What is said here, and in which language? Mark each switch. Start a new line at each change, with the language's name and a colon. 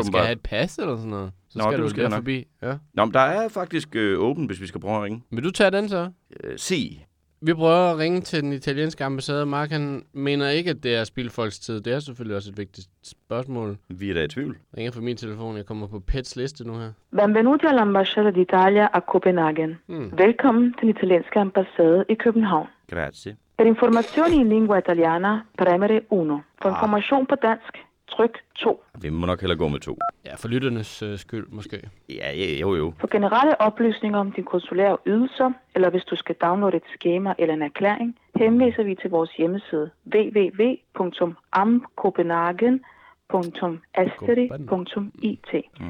Danish: Hvis du skal have et pas eller sådan noget, skal du lige forbi. Ja. Nå, men der er faktisk åben, hvis vi skal prøve at ringe. Vil du tage den så?
Italian: Si.
Danish: Vi prøver at ringe til den italienske ambassade. Mark, han mener ikke, at det er at spilde folks tid. Det er selvfølgelig også et vigtigt spørgsmål. Vi er da i tvivl. Ringer fra min telefon. Jeg kommer på PETs liste nu her.
Italian: Benvenuti all'ambasciata d'Italia a Copenhagen.
Danish: Velkommen til den italienske ambassade i København.
Italian: Grazie. Per informazioni in lingua italiana, premere 1.
Danish: For information på dansk, tryk 2. Vi må nok hellere gå med 2. Ja, for lytternes skyld måske. Ja, jo. For generelle oplysninger om din konsulære ydelser, eller hvis du skal downloade et skema eller en erklæring, henviser vi til vores hjemmeside www.amcopenhagen.asteri.it.